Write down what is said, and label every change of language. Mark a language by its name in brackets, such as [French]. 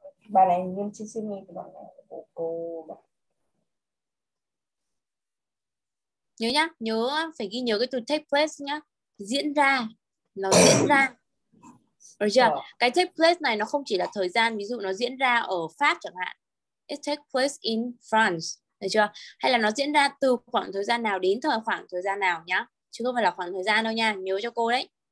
[Vietnamese] bài này nghiêm chỉnh xin nghe của bạn của cô. Nhớ nhá, nhớ phải ghi nhớ cái từ take place nhá. Diễn ra, nó diễn ra. Được chưa? Cái take place này nó không chỉ là thời gian, ví dụ nó diễn ra ở Pháp chẳng hạn. [English] It takes place in France. [Vietnamese] Được chưa? Hay là nó diễn ra từ khoảng thời gian nào đến thời khoảng thời gian nào nhá. Chứ không phải là khoảng thời gian đâu nha. Nhớ cho cô đấy.